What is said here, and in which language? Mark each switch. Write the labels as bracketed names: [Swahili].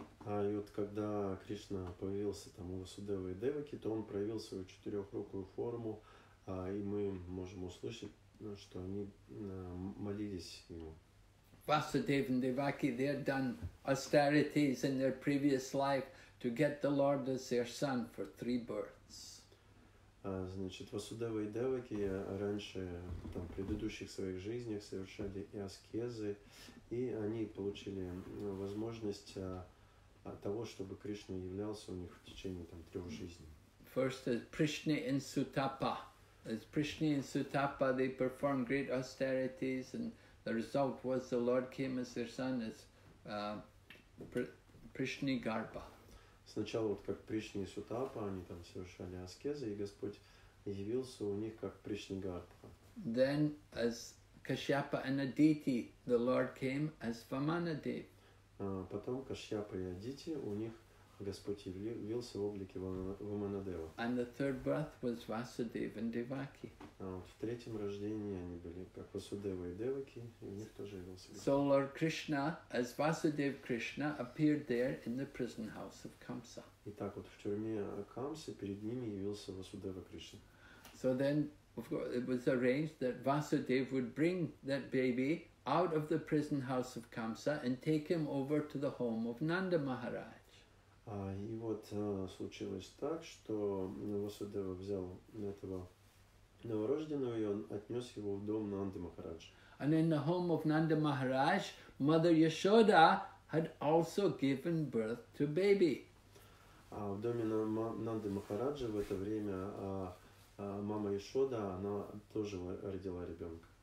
[Russian] А и вот когда Кришна появился там у Васудевы и Деваки, то он проявил свою четырехрукую форму, и мы можем услышать, ну, что они молились ему. [English] Vasudev and Devaki, they had done austerities in their previous life to get the Lord as their son for three births. [Russian] Значит, Васудева и Деваки раньше там, в предыдущих своих жизнях совершали и аскезы, и они получили возможность того, чтобы Кришна являлся у них в течение там, трех жизней. [English] First is Prishni in Sutapa. As Prishni in Sutapa, they performed great austerities, and the result was the Lord came as their son, as Prishni Garba. [Russian] Сначала вот как Пришни и Сутапа, они там совершали аскезы, и Господь явился у них как Пришни Гарпха. [English] Then as Kashyapa and Aditi, the Lord came as Vamanadev. [Russian] Потом Кашьяпа и Адити, у них Господь явился в облике Ваманадева. [English] And the third birth was Vasudev and Devaki. [Russian] Вот в третьем рождении они были как Васудева и Деваки, и у них тоже явился Господь. [English] So Lord Krishna, as Vasudev Krishna, appeared there in the prison house of Kamsa. [Russian] И так вот в тюрьме Камсы перед ними явился Васудева Кришна. [English] So then, of course, it was arranged that Vasudev would bring that baby out of the prison house of Kamsa and take him over to the home of Nanda Maharaj. [Russian] И вот случилось так, что Васудева взял этого новорожденного, и он отнес его в дом Нанды Махарадж. [English] And in the home of Nanda Maharaj, Mother Yashoda had also given birth to baby. [Russian] А в доме Нанды Махараджа в это время мама Яшода, она тоже родила ребенка.